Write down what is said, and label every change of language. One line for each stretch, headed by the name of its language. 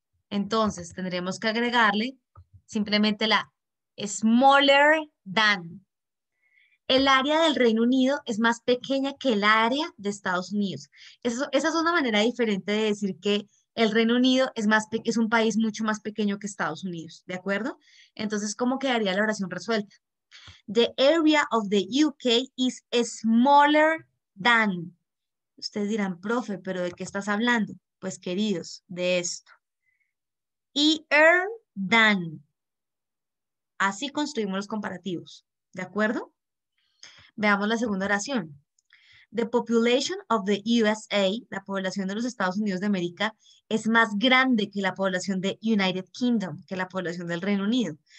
Spanish: Entonces, tendremos que agregarle simplemente la
English: smaller than.
Spanish: El área del Reino Unido es más pequeña que el área de Estados Unidos. Esa es una manera diferente de decir que el Reino Unido es un país mucho más pequeño que Estados Unidos, ¿de acuerdo? Entonces, ¿cómo quedaría la oración resuelta?
English: The area of the UK is smaller than.
Spanish: Ustedes dirán, profe, ¿pero de qué estás hablando? Pues, queridos, de esto.
English: Ear than.
Spanish: Así construimos los comparativos, ¿de acuerdo? Veamos la segunda oración.
English: The population of the USA,
Spanish: la población de los Estados Unidos de América, es más grande que la población de United Kingdom, que la población del Reino Unido.